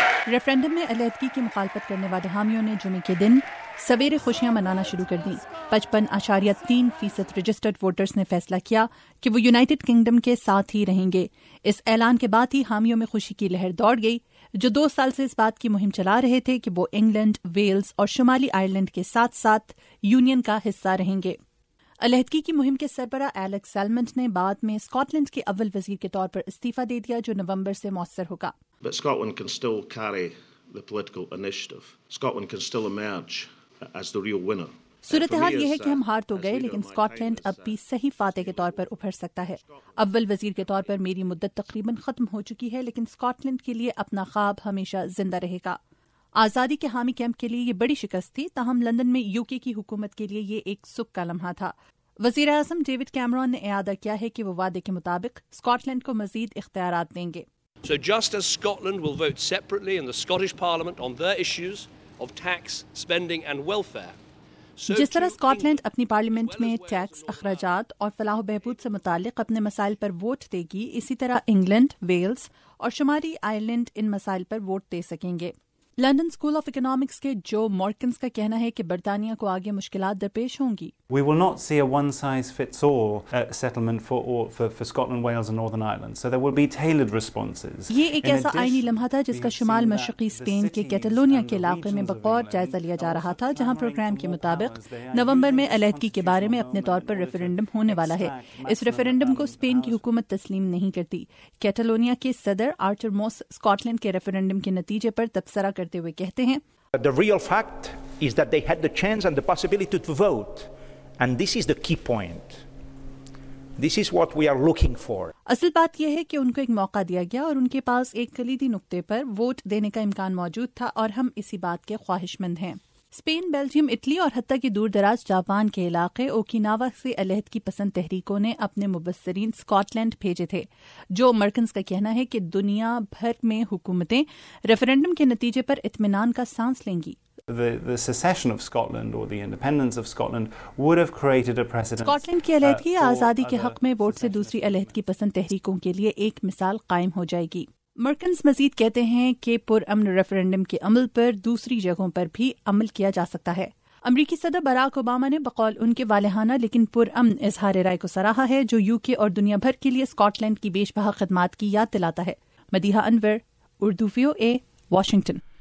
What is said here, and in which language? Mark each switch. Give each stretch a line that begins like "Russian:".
Urdu: Referendum میں علیحدگی کی مخالفت کرنے والے حامیوں نے جمعے کے دن سویرے خوشیاں منانا شروع کر دیں۔ 55.3% رجسٹرڈ ووٹرز نے فیصلہ کیا کہ وہ یونائیٹڈ کنگڈم کے ساتھ ہی رہیں گے۔ اس اعلان کے بعد ہی حامیوں میں خوشی کی لہر دوڑ گئی، جو 2 سال سے اس بات کی مہم چلا رہے تھے کہ وہ انگلینڈ، ویلز اور شمالی آئرلینڈ کے ساتھ ساتھ یونین کا حصہ رہیں گے۔ علیحدگی کی مہم کے سربراہ ایلکس سیلمنٹ نے بعد میں اسکاٹ لینڈ کے اول وزیر کے طور پر استعفی دے دیا، جو نومبر سے مؤثر ہوگا۔
English: But Scotland can still carry the political initiative. Scotland can still emerge as the real winner.
Urdu: صورتحال یہ ہے کہ ہم ہار تو گئے، لیکن اسکاٹ لینڈ اب بھی صحیح فاتح کے طور پر ابھر سکتا ہے۔ اول وزیر کے طور پر میری مدت تقریباً ختم ہو چکی ہے، لیکن اسکاٹ لینڈ کے لیے اپنا خواب ہمیشہ زندہ رہے گا۔ آزادی کے حامی کیمپ کے لیے یہ بڑی شکست تھی، تاہم لندن میں یوکے کی حکومت کے لیے یہ ایک سکھ کا لمحہ تھا۔ وزیر اعظم ڈیوڈ کیمرون نے اعادہ کیا ہے کہ وہ وعدے کے مطابق اسکاٹ لینڈ کو مزید اختیارات دیں گے۔
English: So just as Scotland will vote separately in the Scottish Parliament on their issues of tax, spending and welfare.
Urdu: جس طرح اسکاٹ لینڈ اپنی پارلیمنٹ میں ٹیکس، اخراجات اور فلاح و بہبود سے متعلق اپنے مسائل پر ووٹ دے گی، اسی طرح انگلینڈ، ویلز اور شمالی آئرلینڈ ان مسائل پر ووٹ دے سکیں گے۔ لندن اسکول آف اکنامکس کے جو مارکنز کا کہنا ہے کہ برطانیہ کو آگے مشکلات درپیش ہوں گی۔
English: We will not see a one size fits all settlement for Scotland, Wales and Northern Ireland. So there will be tailored responses.
Urdu: یہ ایک ایسا آئینی لمحہ تھا جس کا شمال مشرقی اسپین کے کیٹالونیا کے علاقے میں بغور جائزہ لیا جا رہا تھا، جہاں پروگرام کے مطابق نومبر میں علیحدگی کے بارے میں اپنے طور پر ریفرنڈم ہونے والا ہے۔ اس ریفرنڈم کو اسپین کی حکومت تسلیم نہیں کرتی۔ کیٹالونیا کے صدر آرچر موس اسکاٹ لینڈ کے ریفرنڈم کے نتیجے پر تبصرہ کرتے ہوئے کہتے ہیں
English: The real fact is that they had the chance and the possibility to vote. And this is the key point. This is what we are looking for.
Urdu: اصل بات یہ ہے کہ ان کو ایک موقع دیا گیا اور ان کے پاس ایک کلیدی نقطے پر ووٹ دینے کا امکان موجود تھا اور ہم اسی بات کے خواہش مند ہیں۔ اسپین، بیلجیم، اٹلی اور حتیٰ کہ دور دراز جاپان کے علاقے اوکیناوا سے علیحدگی پسند تحریکوں نے اپنے مبصرین اسکاٹ لینڈ بھیجے تھے۔ جو مرکنز کا کہنا ہے کہ دنیا بھر میں حکومتیں ریفرنڈم کے نتیجے پر اطمینان کا سانس لیں گی۔
English: The secession of Scotland or the independence of Scotland would have created a precedent.
Urdu: Scotland کی علیحدگی آزادی کے حق میں ووٹ سے دوسری علیحدگی پسند تحریکوں کے لیے ایک مثال قائم ہو جائے گی۔ مرکنز مزید کہتے ہیں کہ پرامن ریفرنڈم کے عمل پر دوسری جگہوں پر بھی عمل کیا جا سکتا ہے۔ امریکی صدر باراک اوباما نے بقول ان کے والہانہ لیکن پرامن اظہار رائے کو سراہا ہے جو یو کے اور دنیا بھر کے لیے اسکاٹ لینڈ کی بیش بہا خدمات کی یاد دلاتا ہے۔ مدیحہ انور، اردو وی او اے، واشنگٹن۔